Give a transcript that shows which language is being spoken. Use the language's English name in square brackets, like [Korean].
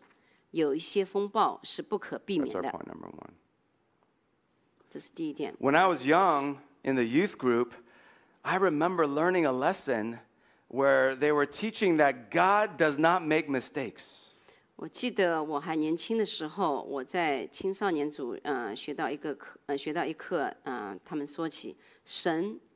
[Chinese] 那今天早上我首先想让大家明白的就是有一些风暴是不可避免的。 [English] That's our point number one. [Chinese] 这是第一点。 [English] When I was young in the youth group, I remember learning a lesson where they were teaching that God does not make mistakes. [Chinese] 我记得我还年轻的时候, 我在青少年组, 学到一课, 他们说起, 神,